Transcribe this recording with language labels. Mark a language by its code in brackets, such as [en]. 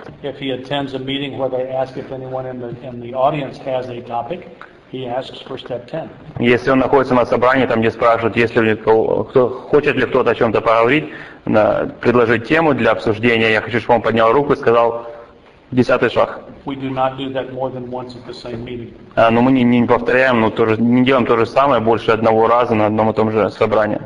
[en] If he attends a meeting where they ask if anyone in the audience has a topic, he asks for step 10. [ru] Если он находится на собрании, там где спрашивают, если хочет ли кто-то о чем-то поговорить, предложить тему для обсуждения, я хочу, чтобы он поднял руку и сказал 10 шаг. [en] We do not do that more than once at the same meeting. [ru] Но мы не повторяем, не делаем то же самое больше одного раза на одном и том же собрании.